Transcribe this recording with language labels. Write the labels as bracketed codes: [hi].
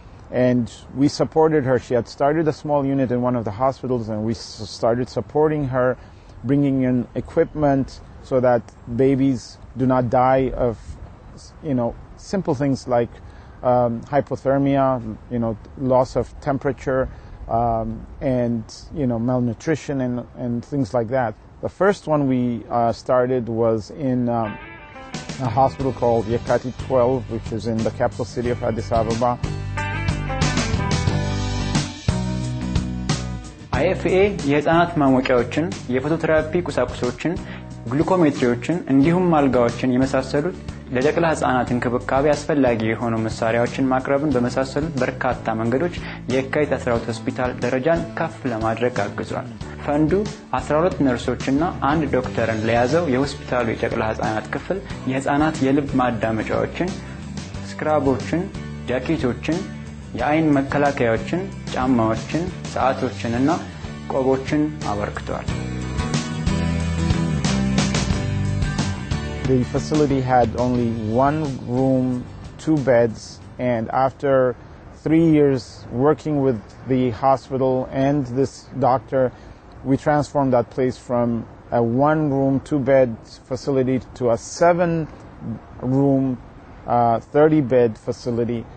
[en] And we supported her. She had started a small unit in one of the hospitals, and we started supporting her, bringing in equipment so that babies do not die of, you know, simple things like hypothermia, you know, loss of temperature, and, you know, malnutrition and things like that. The first one we started was in a hospital called Yekati 12, which is in the capital city of Addis Ababa. [am] IFA የህፃናት ማሞቂያዎችን የፎቶቴራፒ ቁሳቁሶችን ግሉኮሜትሪዎችን እንዲሁም አልጋዎችን የመሳሰሉት ለደቅላ ህፃናት እንክብካቤ አስፈላጊ የሆኑ መሳሪያዎችን ማቅረብን በመሳሰሉት በርካታ መንገዶች የካቲት 12 ሆስፒታል ደረጃን ከፍ ለማድረግ አግዟል። ፈንዱ 12 ነርሶችና አንድ ዶክተርን ለያዘው የሆስፒታሉ የደቅላ ህፃናት ክፍል የህፃናት የልብ ማዳመጫዎችን ስክራቦችን ጃኬቶችን የአይን መከላከያዎችን ጫማዎችን ሰዓቶችንና ቆቦችን አበርክቷል። [en] The facility had only one room, two beds, and after 3 years working with the hospital and this doctor, we transformed that place from a one room, two bed facility to a seven room, 30 bed facility.